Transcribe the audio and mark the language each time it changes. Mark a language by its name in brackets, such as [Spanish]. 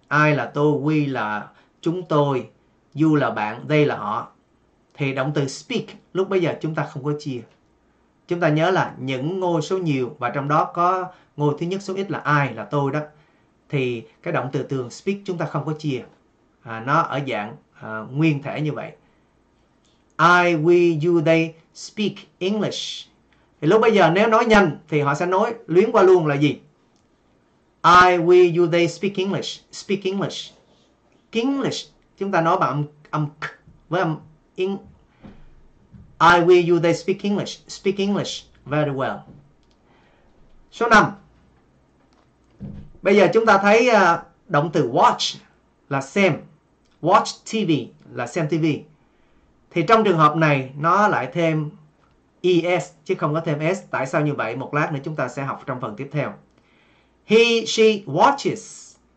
[Vietnamese] I là tôi, we là chúng tôi, you là bạn, they là họ. Thì động từ speak lúc bây giờ chúng ta không có chia. Chúng ta nhớ là những ngôi số nhiều và trong đó có ngôi thứ nhất số ít là I, là tôi đó. Thì cái động từ thường speak chúng ta không có chia. À, nó ở dạng nguyên thể như vậy. [English] I, we, you, they speak English. [Vietnamese] Thì lúc bây giờ nếu nói nhanh thì họ sẽ nói luyến qua luôn là gì? [English] I, we, you, they speak English. Speak English. English. [Vietnamese] Chúng ta nói bằng âm k với âm in. [English] I, we, you, they speak English. Speak English very well. [Vietnamese] Số 5. Bây giờ chúng ta thấy động từ watch là xem. Watch TV là xem TV. Thì trong trường hợp này nó lại thêm ES chứ không có thêm S. Tại sao như vậy? Một lát nữa chúng ta sẽ học trong phần tiếp theo. [English] He, she watches.